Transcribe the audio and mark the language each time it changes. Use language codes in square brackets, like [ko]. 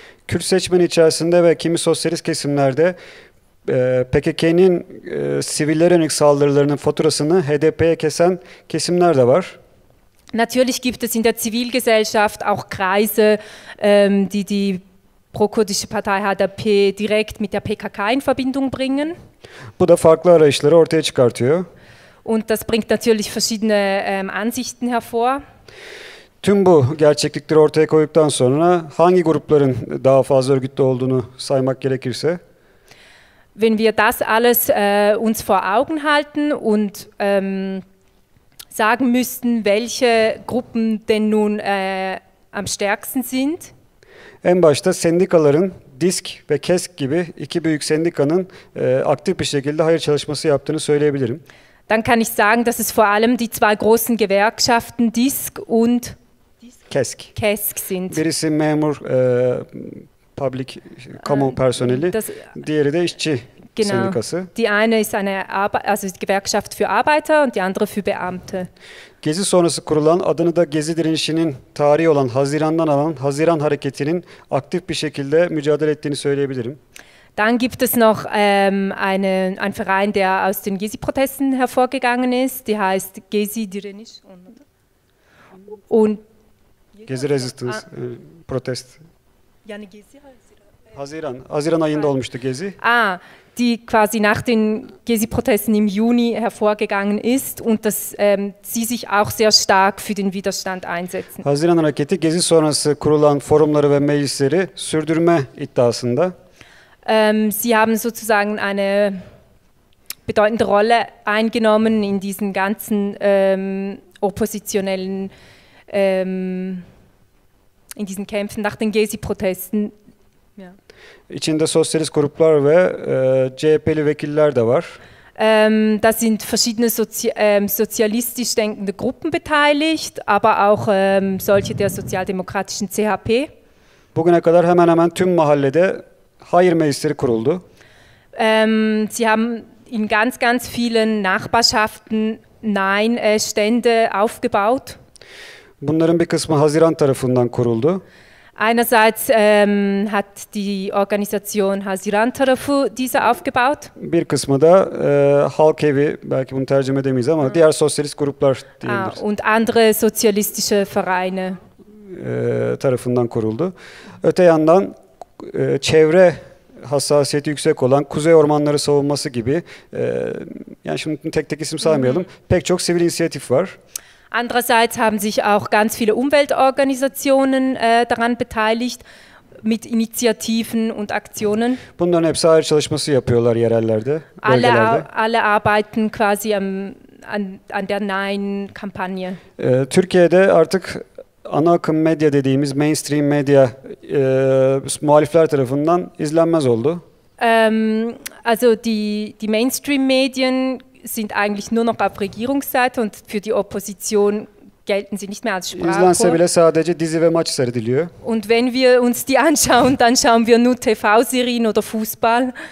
[tr] Kürt seçmen içerisinde ve kimi sosyalist kesimlerde PKK'nin sivillere yönelik saldırılarının faturasını HDP'ye kesen kesimler de var. [de] Natürlich gibt es in der Zivilgesellschaft auch Kreise, die die prokurdische Partei HDP direkt mit der PKK in Verbindung bringen. [tr] Bu da farklı arayışları ortaya çıkartıyor. [de] Und das bringt natürlich verschiedene Ansichten hervor. [tr] Tüm bu gerçeklikleri ortaya koyduktan sonra hangi grupların daha fazla örgütlü olduğunu saymak gerekirse? [de] Wenn wir das alles uns vor Augen halten und sagen müssten, welche Gruppen denn nun am stärksten sind. [tr] En başta sendikaların, DİSK ve KESK gibi iki büyük sendikanın aktif bir şekilde hayır çalışması yaptığını söyleyebilirim. [de] Dann kann ich sagen, dass es vor allem die zwei großen Gewerkschaften DİSK und KESK. KESK sind. [tr] Birisi memur, public, kamu personeli, diğeri de işçi [de] genau. [tr] Sendikası. [de] Die eine ist eine also die Gewerkschaft für Arbeiter und die andere für Beamte. [tr] Gezi sonrası kurulan, adını da Gezi direnişinin tarihi olan Haziran'dan alan Haziran hareketinin aktif bir şekilde mücadele ettiğini söyleyebilirim. [de] Dann gibt es noch einen Verein, der aus den Gezi-Protesten hervorgegangen ist. Die heißt Gezi Direniş. Und [en] Gezi Resistance Protest. [tr] Yani Gezi Haziran. Haziran ayında olmuştu Gezi. [de] Ah, die quasi nach den Gezi-Protesten im Juni hervorgegangen ist und dass sie sich auch sehr stark für den Widerstand einsetzen. [tr] Haziran hareketi Gezi sonrası kurulan forumları ve meclisleri sürdürme iddiasında. [de] Sie haben sozusagen eine bedeutende Rolle eingenommen in diesen ganzen oppositionellen in diesen Kämpfen nach den Gezi-Protesten. [tr] İçinde sosyalist gruplar ve CHP'li vekiller de var. [de] Da sind verschiedene sozialistisch denkende Gruppen beteiligt, aber auch solche der sozialdemokratischen CHP. [tr] Bugüne kadar hemen hemen tüm mahallede hayır meclisleri kuruldu. [de] Sie haben in ganz ganz vielen Nachbarschaften Nein Stände aufgebaut. [tr] Bunların bir kısmı Haziran tarafından kuruldu. [de] Einerseits hat die Organisation Haziran Tarafı diese aufgebaut. [tr] Bir kısmı da Halk Evi, belki bunu tercüme edemeyiz ama diğer sosyalist gruplar diyebiliriz. [de] Und andere sozialistische Vereine [tr] tarafından kuruldu. Öte yandan çevre hassasiyeti yüksek olan Kuzey Ormanları Savunması gibi yani şimdi tek tek isim saymayalım. Pek çok sivil inisiyatif var. [de] Andererseits haben sich auch ganz viele Umweltorganisationen daran beteiligt mit Initiativen und Aktionen. [tr] Bunların hepsi ayrı çalışması yapıyorlar yerellerde, bölgelerde. [de] Alle arbeiten quasi an der Nein-Kampagne. [tr] Türkiye'de artık ana akım medya dediğimiz mainstream medya muhalifler tarafından izlenmez oldu. [de] Also die mainstream medien sind eigentlich nur noch auf Regierungsseite und für die Opposition gelten sie nicht mehr als Sprachrohr. [tr] İzlense bile sadece dizi ve maç seyrediliyor. [de] Und wenn wir uns die anschauen, dann schauen wir nur TV-Serien oder Fußball.